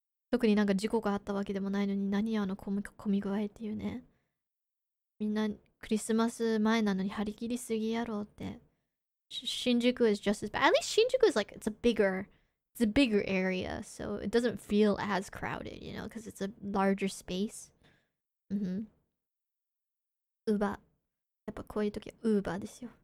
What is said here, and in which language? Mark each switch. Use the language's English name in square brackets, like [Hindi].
[Japanese] 特になんか事故があったわけでもないのに何あの混み具合っていうね。みんなクリスマス前なのに張り切りすぎやろうって。 [English] 新宿 is just as bad. At least 新宿 is like, it's a bigger area, so it doesn't feel as crowded, you know, because it's a larger space. [Japanese] Uber。やっぱこういう時は Uber ですよ。